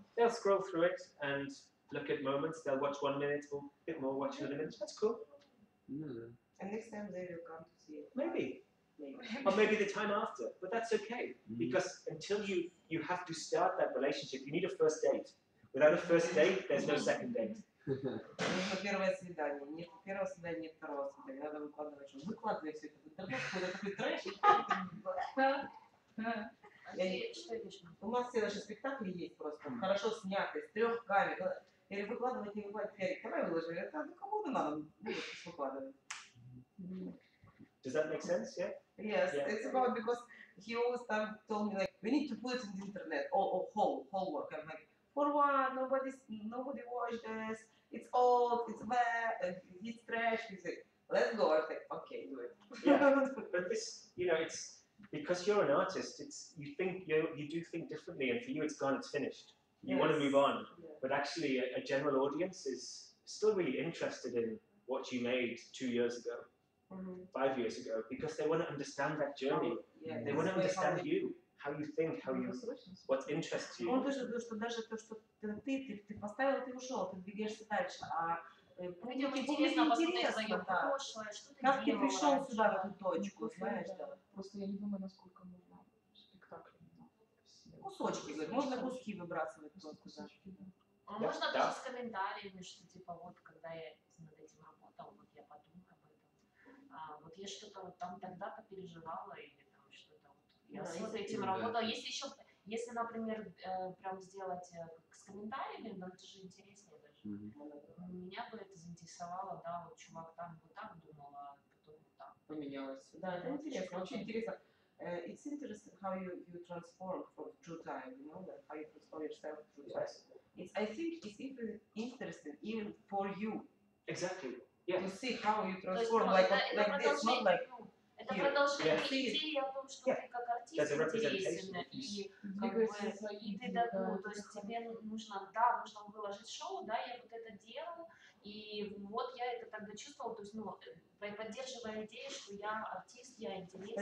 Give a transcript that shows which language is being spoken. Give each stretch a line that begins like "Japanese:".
English: They'll scroll through it and look at moments. They'll watch 1 minute, or a bit more, watch another minute. That's cool. And next time they will come to see it. Maybe. Maybe. Or maybe the time after. But that's okay. Because until you have to start that relationship, you need a first date. Without a first date, there's no second date.
Russian: Нет первого свидания, нет первого свидания, нет второго свидания. Надо выкладывать, что выкладывай все это в интернет, когда такой трэшик. У нас все наши спектакли есть просто, хорошо сняты, с трех камер. Или выкладывать, не выкладывать, Ярик, давай выложи, это кому-то надо выкладывать.
English: Does that make sense, yeah? Yes, it's about because he always told me, like, we need to put it in the internet, or whole work. I'm like, for one, nobody watched this, it's old, it's bad, it's trash, he's like, let's go, I'm like, okay, do it. Yeah. But this, you know, it's, because you're an artist, it's, you think, you do think differently, and for you it's gone, it's finished. You yes. want to move on. Yeah. But actually, a general audience is still really interested in what you made 2 years ago, mm-hmm. 5 years ago, because they want to understand that journey. Yeah, mm-hmm. They want to understand you. How you think, what interests you.
Russian: Он тоже говорит, что даже то, что ты поставил, ты ушел, ты двигаешься дальше. А интересно посмотреть на твое прошлое, что ты делал. Как ты пришел сюда, в эту точку, знаешь? Просто я не думаю, насколько можно спектакль. Кусочки, говорит, можно куски выбрасывать. Можно даже с комментариями, что типа вот, когда я над этим работал, вот я подумал об этом. Вот я что-то вот там тогда-то переживала, или я с этим работала. Если еще, если, например, прям сделать с комментариями, но это же интереснее даже. Mm-hmm. Меня бы это заинтересовало, да, вот чувак там вот так думал, а потом вот так. Поменялось. Да, это интересно, очень интересно.
English: It's interesting how you transform for through time, you know, that how you transform yourself through time. Yes. It's, I think it's even interesting even for you. Exactly. Yeah. To see how you transform, like this, not like.
Russian: Это продолжение идеи о том, что ты как артист интересен, и ты, то есть тебе нужно, да, нужно выложить шоу, да, я вот это делал, И вот я это тогда чувствовала, то есть, ну, поддерживая идею, что я артист, я интересен.